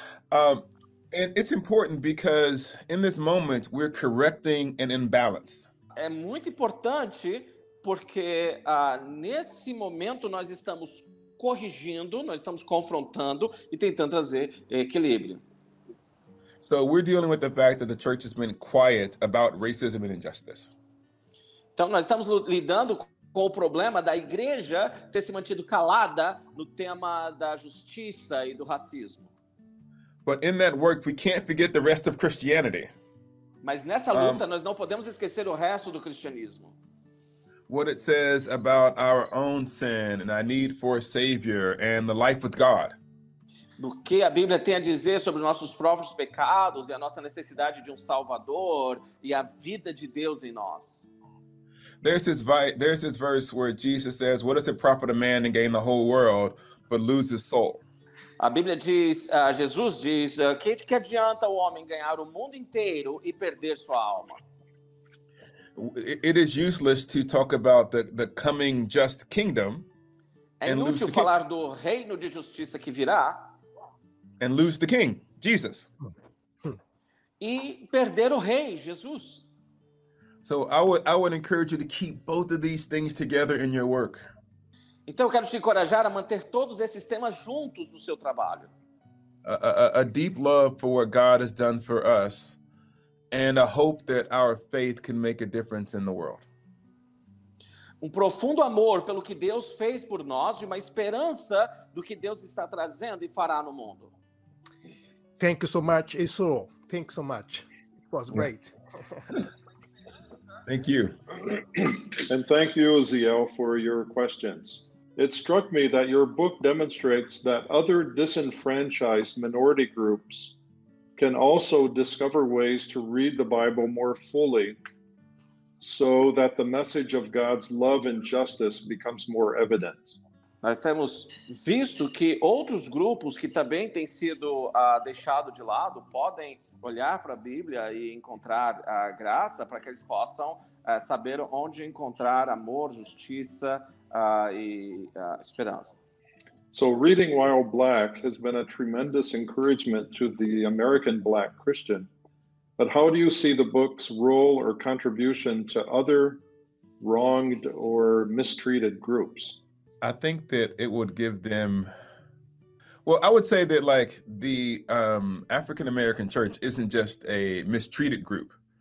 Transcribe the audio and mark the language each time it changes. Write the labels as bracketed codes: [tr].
[en] And it's important because in this moment we're correcting an imbalance. [pt] É muito importante porque nesse momento nós estamos corrigindo, nós estamos confrontando e tentando trazer equilíbrio. [en] So we're dealing with the fact that the church has been quiet about racism and injustice. [pt] Então nós estamos lidando com o problema da igreja ter se mantido calada no tema da justiça e do racismo. [en] But in that work, we can't forget the rest of Christianity. [pt] Mas nessa luta, nós não podemos esquecer o resto do cristianismo. [en] What it says about our own sin and our need for a savior and the life with God. [pt] Do que a Bíblia tem a dizer sobre nossos próprios pecados e a nossa necessidade de salvador e a vida de Deus em nós. [en] There's this verse where Jesus says, "What does it profit a man to gain the whole world but lose his soul?" [pt] A Bíblia diz, Jesus diz, que adianta o homem ganhar o mundo inteiro e perder sua alma? [en] It is useless to talk about the coming just kingdom. [pt] É inútil falar do reino de justiça que virá. [en] And lose the king, Jesus. [pt] E perder o rei, Jesus. [en] So I would encourage you to keep both of these things together in your work. [pt] Então eu quero te encorajar a manter todos esses temas juntos no seu trabalho. [en] A deep love for what God has done for us and a hope that our faith can make a difference in the world. [pt] Um profundo amor pelo que Deus fez por nós e uma esperança do que Deus está trazendo e fará no mundo. [en] Thank you so much, Isso. Thank you so much. It was great. Thank you. And thank you, Ziel, for your questions. It struck me that your book demonstrates that other disenfranchised minority groups can also discover ways to read the Bible more fully so that the message of God's love and justice becomes more evident. [pt] Nós temos visto que outros grupos que também têm sido deixado de lado podem olhar para a Bíblia e encontrar a graça para que eles possam saber onde encontrar amor, justiça e esperança. [en] So reading While Black has been a tremendous encouragement to the American Black Christian. But how do you see the book's role or contribution to other wronged or mistreated groups? I think that it would give them, well, I would say that like the African American church isn't just a mistreated group.